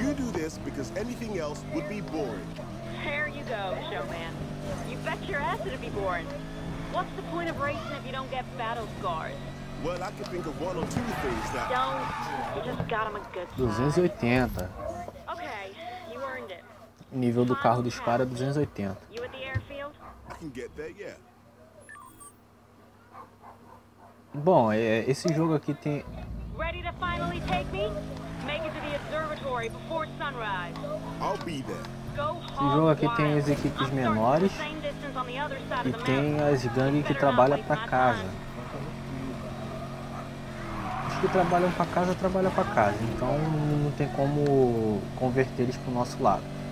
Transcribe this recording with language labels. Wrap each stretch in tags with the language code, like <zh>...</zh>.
<en>You do this because anything else would be boring. There you go, showman. You bet your ass it'd be boring. What's the point of racing if you don't get battle scars? Well, I can think of one or two things that... Don't. You just got him a good time. 280. Okay, you earned it.</en> <pt>Nível do carro dos caras é 280.</pt> <en>You at the airfield? I can get that, yeah.</en> <pt>Bom, esse jogo aqui tem...</pt> <en>Ready to finally take me? Make it to the observatory before sunrise. I'll be there.</en> <pt>Esse jogo aqui tem as equipes menores e tem as gangues que trabalham pra casa. Os que trabalham pra casa, trabalham pra casa. Então não tem como converter eles pro nosso lado.</pt>